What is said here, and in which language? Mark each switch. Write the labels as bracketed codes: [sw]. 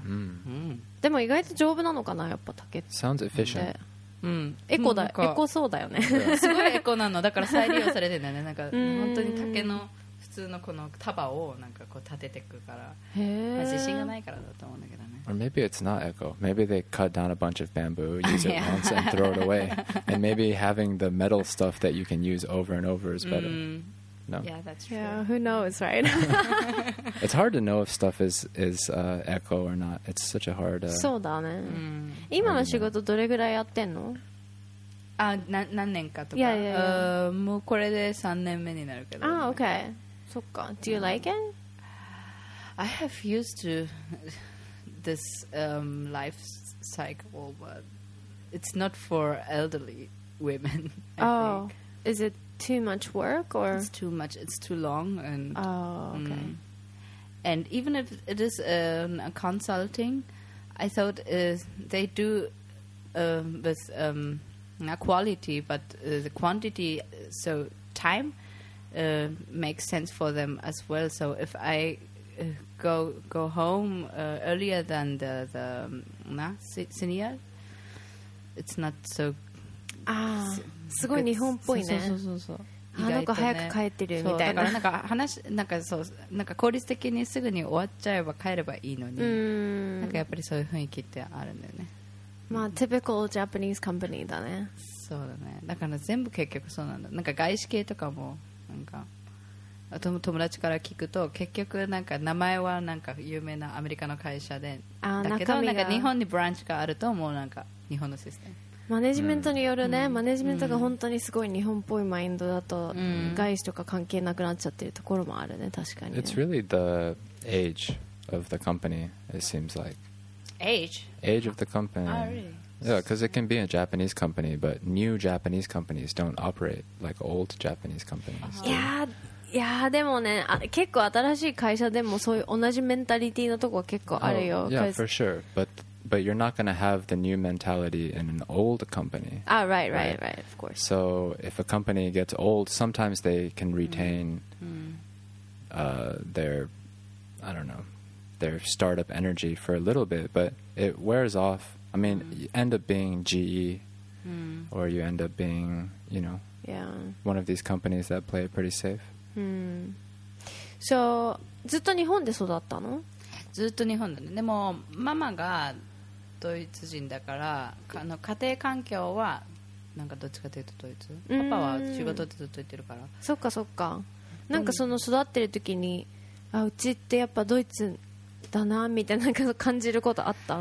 [ja] うん、でも意外と丈夫なのかなやっぱ竹って [en] Sounds efficient、うん、 [ja] エコだエコそうだよねすごいエコなのだから再利用されてるんだよねなんか本当に竹の普通のこの束をなんかこう立ててくからへえ、まあ、自信がないからだと思うんだけどね [en] Or maybe it's not echo maybe they cut down a bunch of bamboo use it once and throw it away and maybe having the metal stuff that you can use over and over is better No. Yeah, that's true. Yeah, who knows, right? It's hard to know if stuff is echo or not. It's such a hard. [ja] そうだね。今の仕事どれぐらいやってんの？あ、な何年かとか。 [en] Yeah, yeah, yeah. [ja] もうこれで3年目になるけど。 [en] Ah, okay. そっか。Do you like it? I have used to this life cycle, but it's not for elderly women. Oh, think. Is it? Too much work or it's too much it's too long and oh okay and even if it is a consulting I thought they do with a quality but the quantity so time makes sense for them as well so if I go home earlier than the senior it's not so [ja] ah すごい日本っぽいね。そうそうそうそう。意外とね、あの子早く帰ってるみたいな。そうだからなんか話なんかそうなんか効率的にすぐに終わっちゃえば帰ればいいのに、なんかやっぱりそういう雰囲気ってあるんだよね。 [en] まあ、typical Japanese company だね。 [ja] そうだね。だから全部結局そうなんだ。なんか外資系とかもなんか友達から聞くと結局なんか名前はなんか有名なアメリカの会社でだけどなんか日本にブランチがあるともうなんか日本のシステム。マネジメントによるね、うん、マネジメントが本当にすごい日本っぽいマインドだと、うん、外資とか関係なくなっちゃってるところもあるね、確かに、ね。 [en] It's really the age of the company, it seems like. Age? Age of the company. Oh, really? Yeah, because it can be a Japanese company, but new Japanese companies don't operate like old Japanese companies. いやでもね、結構新しい会社でもそういう同じメンタリティのとこは結構あるよ。 Oh, yeah, for sure, but you're not going to have the new mentality in an old company. Ah, right, of course. So if a company gets old, sometimes they can retain their, I don't know, their startup energy for a little bit, but it wears off. I mean, you end up being GE or you end up being, you know, one of these companies that play it pretty safe. [ja] So, ずっと日本で育ったの？ずっと日本だね。でもママがドイツ人だから、あの家庭環境はなんかどっちかというとドイツ。パパは仕事ってずっと言ってるから。そっかそっか。なんかその育ってる時に、あうちってやっぱドイツだなみたいな感じることあった？